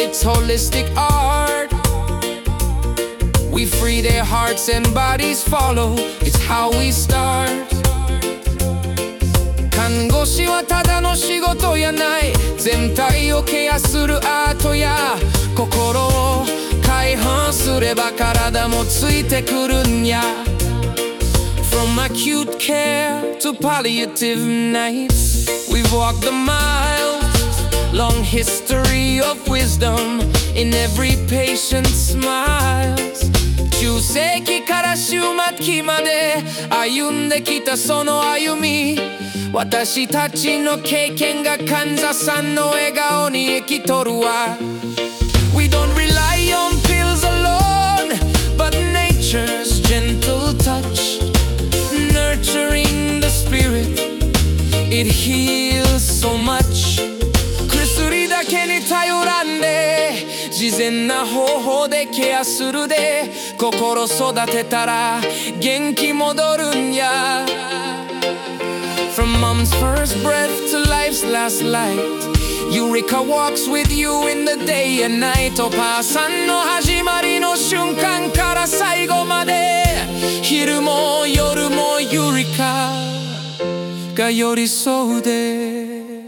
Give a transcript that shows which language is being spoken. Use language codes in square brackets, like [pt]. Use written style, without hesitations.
[en] It's holistic art. We free their hearts and bodies follow, it's how we start. [ja] 看護師はただの仕事やない、全体をケアするアートや。心を解放すれば体もついてくるんや。 [en] From acute care to palliative nights, we've walked the mile. Long history of wisdom in every patient's smiles. [ja] 中世紀から終末期まで歩んできたその歩み、私たちの経験が患者さんの笑顔に生きとるわ。 [en] We don't rely on pills alone, but nature's gentle touch, nurturing the spirit, it heals so much. [ja] 薬だけに頼らんで、自然な方法でケアするで、心育てたら元気戻るんや。 [en] From mom's first breath to life's last light, Eureka walks with you in the day and night. [ja] お母さんの始まりの瞬間から最後まで、昼も夜も Eureka が寄り添うで。